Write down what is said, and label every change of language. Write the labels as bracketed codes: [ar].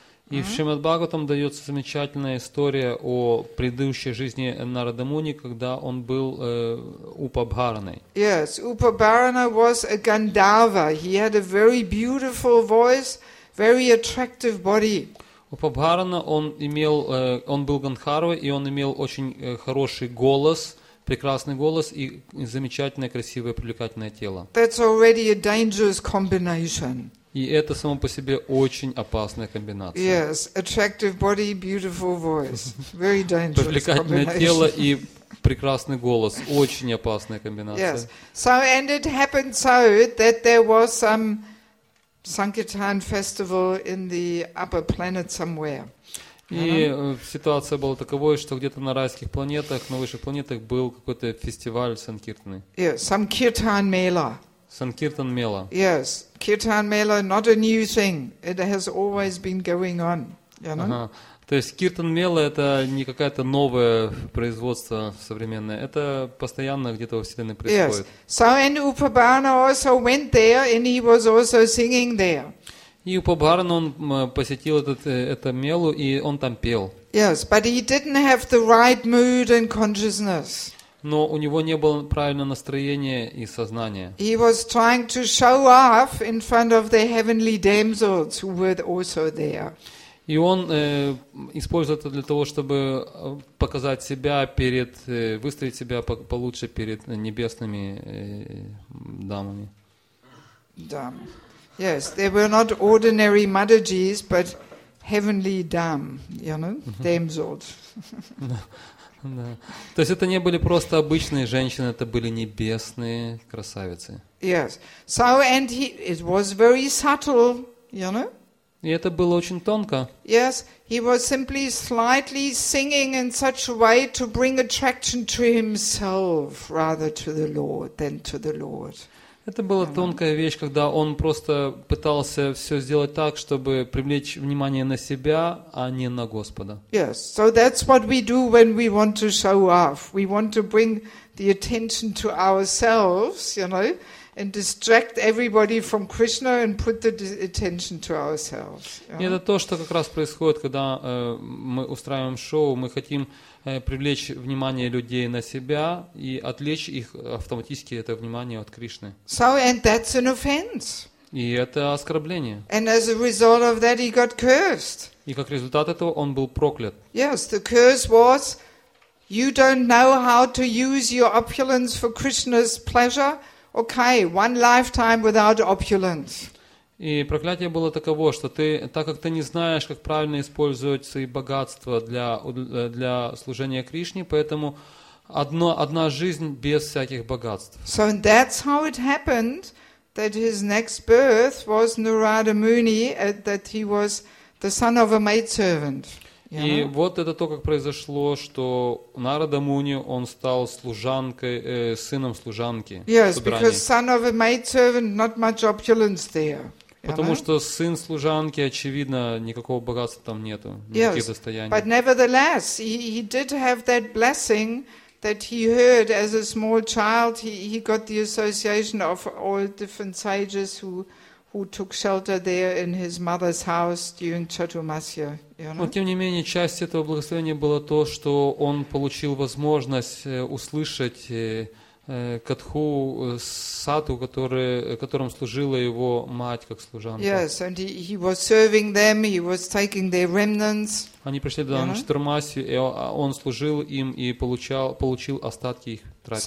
[ru] И в Шримад-Бхагаватам дается замечательная история о предыдущей жизни Нарада Муни, когда он был Упабхараной. [en] Yes, Upabharana was a Gandhava. He had a very beautiful voice, very attractive body. [ru] Упабхарана, он был Гандхарвой, и он имел очень хороший голос, прекрасный голос и замечательное, красивое, привлекательное тело. [en] That's already a dangerous combination. [ru] И это само по себе очень опасная комбинация. [en] Yes, attractive body, beautiful voice. Very dangerous. [ru] Привлекательное тело и прекрасный голос. Очень опасная комбинация. [en] Yes. So and it happened so that there was some Sankirtan festival in the upper planet somewhere. [ru] И ситуация была таковой, что где-то на райских планетах, на высших планетах был какой-то фестиваль санкиртаны. [en] Yes, Sankirtan Mela. Sankirtan Mela. Yes, Kirtan Mela, not a new thing. It has always been going on. You know? [ru] То есть Kirtan Mela это не какое-то новое производство современное. Это постоянно где-то во Вселенной происходит. [en] Yes. So and Upabharana also went there and he was also singing there. [ru] И Упабхарана он посетил это Мелу и он там пел. [en] Yes, but he didn't have the right mood and consciousness. [ru] Но у него не было правильного настроения и сознания. [en] He was trying to show off in front of the heavenly damsels who were also there. [ru] И он использовал это для того, чтобы показать себя перед, выставить себя получше перед небесными дамами. Дам. [en] Yes, they were not ordinary madhijis, but heavenly dam, you know, damsels. [ru] Да. То есть это не были просто обычные женщины, это были небесные красавицы. [en] Yes. So and he, it was very subtle, you know? [ru] И это было очень тонко. [en] Yes, he was simply slightly singing in such a way to bring attraction to himself rather to the Lord than to the Lord. [ru] Это была тонкая вещь, когда он просто пытался все сделать так, чтобы привлечь внимание на себя, а не на Господа. [en] Yes, so that's what we do when we want to show off. We want to bring the attention to ourselves, you know, and distract everybody from Krishna and put the attention to ourselves. [ru] И это то, что как раз происходит, когда мы устраиваем шоу, мы хотим привлечь внимание людей на себя и отвлечь их автоматически это внимание от Кришны. [en] So, and that's an offense. [ru] И это оскорбление. [en] And as a result of that, he got cursed. [ru] И как результат этого он был проклят. [en] Yes, the curse was, you don't know how to use your opulence for Krishna's pleasure. Okay, one lifetime without opulence. [ru] И проклятие было таково, что ты, так как ты не знаешь, как правильно использовать свои богатства для служения Кришне, поэтому одна жизнь без всяких богатств. [en] So that's how it happened that his next birth was Narada Muni, that he was the son of a maidservant. [ru] И вот это то, как произошло, что Нарада Муни, он стал служанкой, сыном служанки. [en] Yes, because son of a maidservant, not much opulence there. [ru] Потому что сын служанки, очевидно, никакого богатства там нету, никаких достояний. [en] But nevertheless, he did have that blessing that he heard as a small child. He got the association of all different sages who took shelter there in his mother's house during Chaturmasya. [ru] Но тем не менее, часть этого благословения было то, что он получил возможность услышать катху сату, которым служила его мать как служанка. [en] Yes, and he was serving them, he was taking their remnants. [ru] Они пришли до Чатурмасью, и он служил им и получил остатки их трапез.